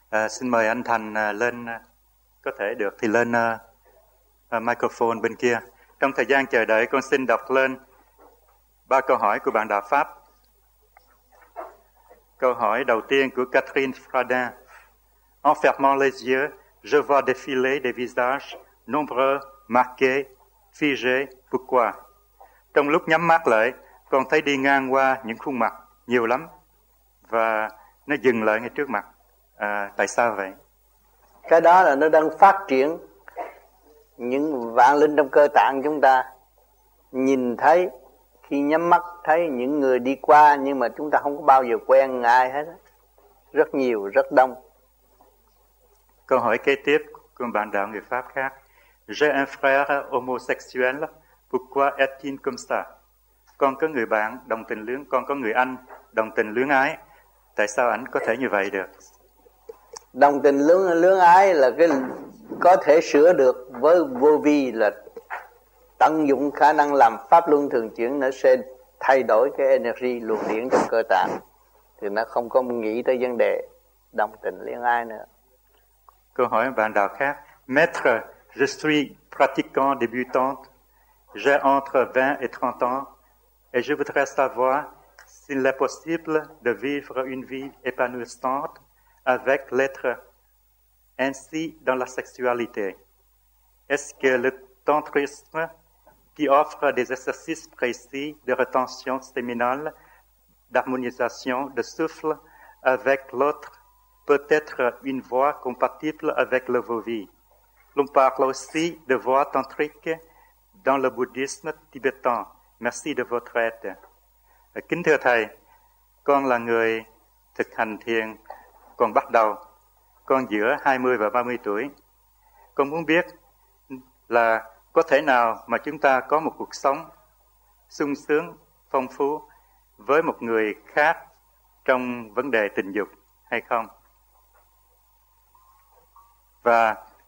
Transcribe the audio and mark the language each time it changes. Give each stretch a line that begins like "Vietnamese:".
Vietnamese: Xin mời anh Thành lên, có thể được thì lên microphone bên kia. Trong thời gian chờ đợi, con xin đọc lên ba câu hỏi của bạn Đạo Pháp. Câu hỏi đầu tiên của Catherine Fradin.
French: En fermant les yeux, je vois défiler des visages nombreux, marqués, figés. Pourquoi?
Vietnamese: Trong lúc nhắm mắt lại, con thấy đi ngang qua những khuôn mặt nhiều lắm và nó dừng lại ngay trước mặt. Tại sao vậy? Cái đó là nó đang phát triển những vạn linh trong cơ tạng chúng ta. Nhìn thấy, khi nhắm mắt thấy những người đi qua nhưng mà chúng ta không có bao giờ quen ai hết. Rất nhiều, rất đông. Câu hỏi kế tiếp của bạn đạo người Pháp khác.
French: J'ai un frère homosexuel, pourquoi est-il comme ça?
Vietnamese: Con có người bạn đồng tình luyến, con có người anh đồng tình luyến ái. Tại sao ảnh có thể như vậy được? Đồng tình luyến ái là cái có thể sửa được với vô vi, là tận dụng khả năng làm pháp luân thường chuyển, nó sẽ thay đổi cái energy luồng điển trong cơ tạng. Thì nó không có nghĩ tới vấn đề đồng tình luyến ái nữa. Câu hỏi bạn đạo khác.
French: Maître, je suis pratiquant débutant. J'ai entre 20 et 30 ans. Et je voudrais savoir s'il est possible de vivre une vie épanouissante avec l'être ainsi dans la sexualité. Est-ce que le tantrisme qui offre des exercices précis de rétention séminale, d'harmonisation, de souffle avec l'autre peut être une voie compatible avec le vovi? L'on parle aussi de voie tantrique dans le bouddhisme tibétain. Merci de votre aide.
Vietnamese: Kính thưa thầy, con là người thực hành thiền còn bắt đầu, con giữa 20 và 30 tuổi. Con muốn biết là có thể nào mà chúng ta có một cuộc sống sung sướng, phong phú với một người khác trong vấn đề tình dục hay không? Và